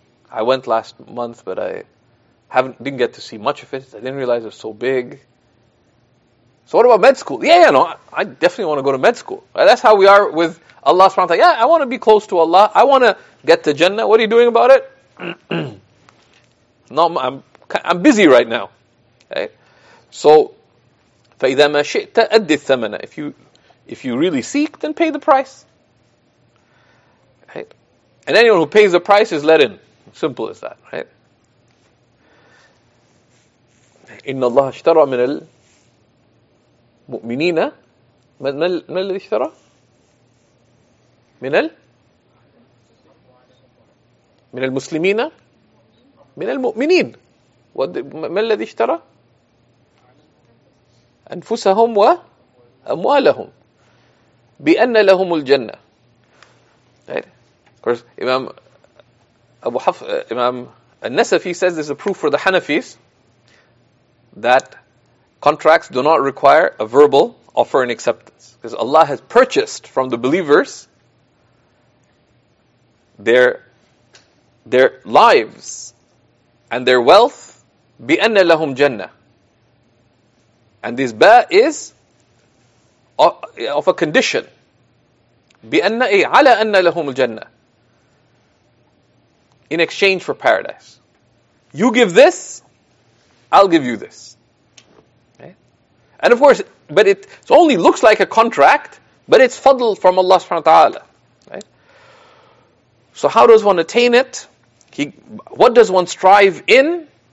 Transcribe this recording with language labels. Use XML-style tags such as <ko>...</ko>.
<en>I went last month, but I didn't get to see much of it. I didn't realize it was so big. So what about med school? Yeah, no, I definitely want to go to med school. That's how we are with Allah subhanahu wa ta'ala. Yeah, I want to be close to Allah. I want to get to Jannah. What are you doing about it? No, I'm busy right now. Okay?</en> <ar>So فَإِذَا مَا شِئْتَ أَدِّ الثَّمَنَ.</ar> <en>If you really seek, then pay the price. Right? And anyone who pays the price is let in. Simple as that, right?</en> <ar>Inna Allah ishtara min al mu'minina. Ma al ishtara? من المسلمين من المؤمنين. ما الذي اشترى؟ أنفسهم وأموالهم بأن لهم الجنة.</ar> <en>إمام أبو حفص إمام النسفي says there's a proof for the Hanafis that contracts do not require a verbal offer and acceptance, because Allah has purchased from the believers their lives and their wealth</en> <ar>بِأَنَّ لَهُمْ جَنَّةً.</ar> <en>And this ba is of a condition.</en> <ar>بِأَنَّ إِيْ عَلَى أَنَّ لَهُمُ الْجَنَّةِ,</ar> <en>in exchange for paradise. You give this, I'll give you this. And of course, but it only looks like a contract, but it's fadl from Allah subhanahu wa ta'ala. So how does one attain it? What does one strive in?</en>